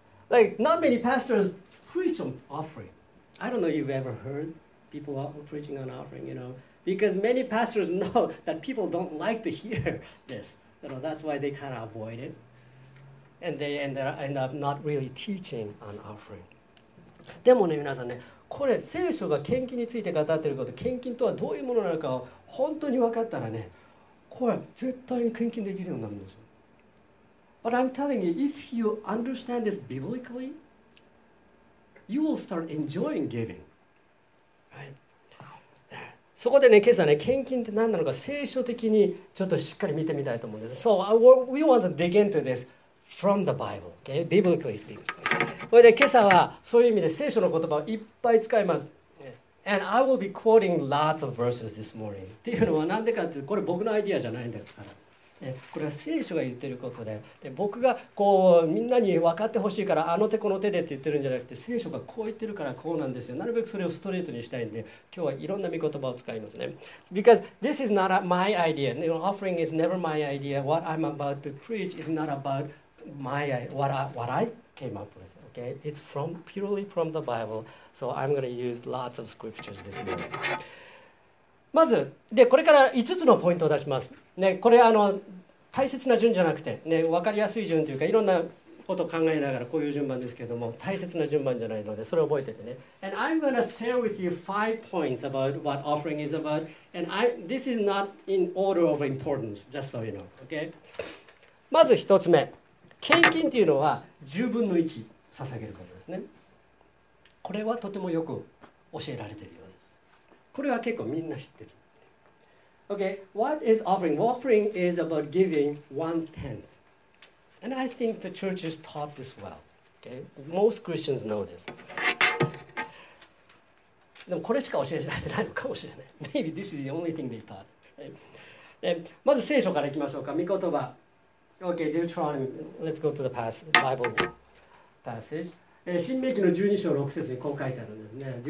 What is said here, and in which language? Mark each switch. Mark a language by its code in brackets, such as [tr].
[en] Like, not many pastors preach on offering. I don't know if you've ever heard people preaching on offering, you know, because many pastors know that people don't like to hear this. You know, that's why they kind of avoid it. And they end up not really teaching on offering. [ja] でもね、皆さんね、これ、聖書が献金について語ってること、献金とはどういうものなのかを本当に分かったらね、これ、絶対に献金できるようになるんですよ。 [en] But I'm telling you, if you understand this biblically, you will start enjoying giving. Right? [ja] そこでね、今朝ね、献金って何なのか聖書的にちょっとしっかり見てみたいと思うんです。 [en] So we want to dig into this from the Bible, okay? Biblically speaking. [ja] それで今朝はそういう意味で聖書の言葉をいっぱい使います。 [en] And I will be quoting lots of verses this morning. [ja] っていうのはなんでかって、これ僕のアイデアじゃないんだから。これは聖書が言ってることで、で僕がこうみんなに分かってほしいからあの手この手でって言ってるんじゃなくて、聖書がこう言ってるからこうなんですよ。なるべくそれをストレートにしたいんで、今日はいろんな御言葉を使いますね。 [en] Because this is not my idea. You know, offering is never my idea. What I'm about to preach is not about my what I came up with. Okay? It's from purely from the Bible. So I'm going to use lots of scriptures this morning. [ja] まずでこれから5つのポイントを出します。ね、これあの大切な順じゃなくて、ね、分かりやすい順というかいろんなことを考えながらこういう順番ですけども、大切な順番じゃないのでそれを覚えててね。 [en] And I'm going to share with you 5 points about what offering is about. And this is not in order of importance, just so you know. Okay? [ja] まず1つ目、献金というのは10分の1捧げることですね。これはとてもよく教えられているようです。これは結構みんな知ってる。 [en] Okay, what is offering? Offering is about giving one tenth. And I think the church is taught this well. Okay, most Christians know this. [ja] でもこれしか教えられてないのかもしれない。 [en] Maybe this is the only thing they taught. [ja] まず聖書からいきましょうか。 [en] 御言葉。Okay, Deuteronomy. Let's go to the Bible passage. [ja] 新命記の12章6節にこう書いてあるんですね。